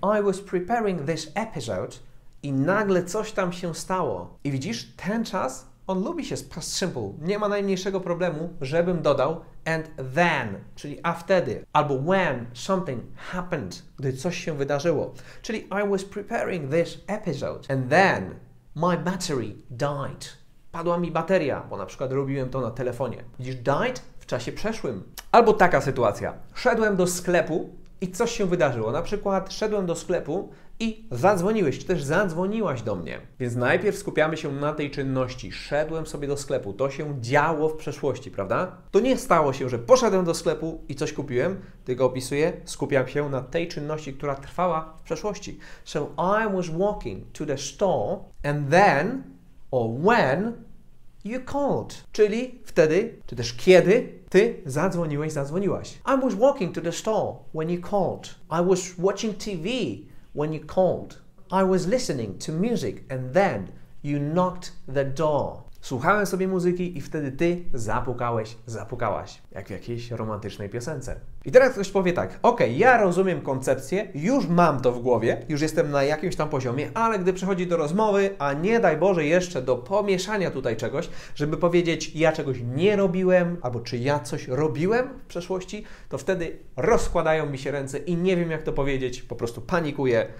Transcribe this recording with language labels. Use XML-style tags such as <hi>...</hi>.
<en>I was preparing this episode</en> <pl>i nagle coś tam się stało. I widzisz, ten czas, on lubi się z past simple. Nie ma najmniejszego problemu, żebym dodał</pl> <en>and then,</en> <pl>czyli a wtedy. Albo</pl> <en>when something happened,</en> <pl>gdy coś się wydarzyło.</pl> <en>Czyli I was preparing this episode and then my battery died.</en> <pl>Padła mi bateria, bo na przykład robiłem to na telefonie. Widzisz, died w czasie przeszłym. Albo taka sytuacja. Szedłem do sklepu i coś się wydarzyło. Na przykład szedłem do sklepu i zadzwoniłeś, czy też zadzwoniłaś do mnie. Więc najpierw skupiamy się na tej czynności. Szedłem sobie do sklepu. To się działo w przeszłości, prawda? To nie stało się, że poszedłem do sklepu i coś kupiłem, tylko opisuję, skupiam się na tej czynności, która trwała w przeszłości.</pl> <en>So I was walking to the store and then or when you called.</en> <pl>Czyli wtedy, czy też kiedy ty zadzwoniłeś, zadzwoniłaś.</pl> <en>I was walking to the store when you called. I was watching TV when you called. I was listening to music and then you knocked the door.</en> <pl>Słuchałem sobie muzyki i wtedy ty zapukałeś, zapukałaś. Jak w jakiejś romantycznej piosence. I teraz ktoś powie tak, okej, ja rozumiem koncepcję, już mam to w głowie, już jestem na jakimś tam poziomie, ale gdy przychodzi do rozmowy, a nie daj Boże jeszcze do pomieszania tutaj czegoś, żeby powiedzieć, ja czegoś nie robiłem, albo czy ja coś robiłem w przeszłości, to wtedy rozkładają mi się ręce i nie wiem, jak to powiedzieć, po prostu panikuję.</pl>